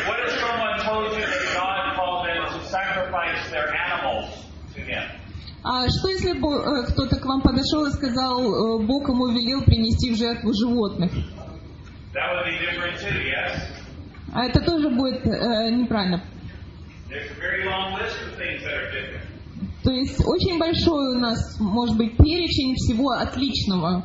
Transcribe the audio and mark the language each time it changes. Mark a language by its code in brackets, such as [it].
[en] What if someone told you that God called them to sacrifice their animals to him? [ru] А что если бы кто-то к вам подошел и сказал, Бог ему велел принести в жертву животных? [en] That would be different too, yes? [ru] А это тоже будет неправильно. [en] There's a very long list of things that are different. [ru] То есть очень большой у нас может быть перечень всего отличного.